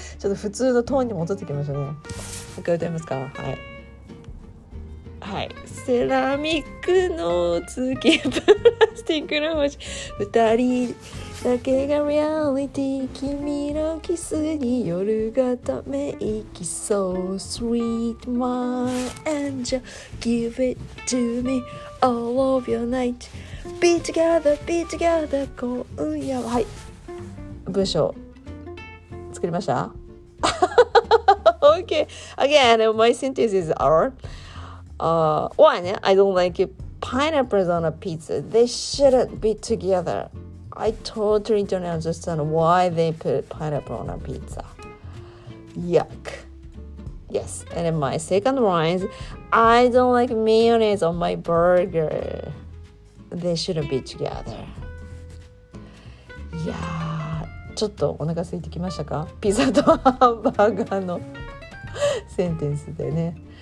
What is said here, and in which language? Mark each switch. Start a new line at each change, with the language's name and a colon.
Japanese: ちょっと普通のトーンに戻ってきましょうね。もう一回歌いますか。はい。はい。セラミックの月、プラスティックの星。二人だけがリアリティ。君のキスに夜がため息。
English: So sweet my angel. Give it to me all of your night. Be together, be together,
Japanese: 今夜は。はい。文章。作りました。Okay.
English: Again, my sentences are, one, I don't like pineapples on a pizza. They shouldn't be together. I totally don't understand why they put pineapple on a pizza. Yuck. Yes. And my second one is, I don't like mayonnaise on my burger. They shouldn't be together.
Japanese: いやーちょっとお腹空いてきましたか、ピザとハンバーガーのセンテンスでね。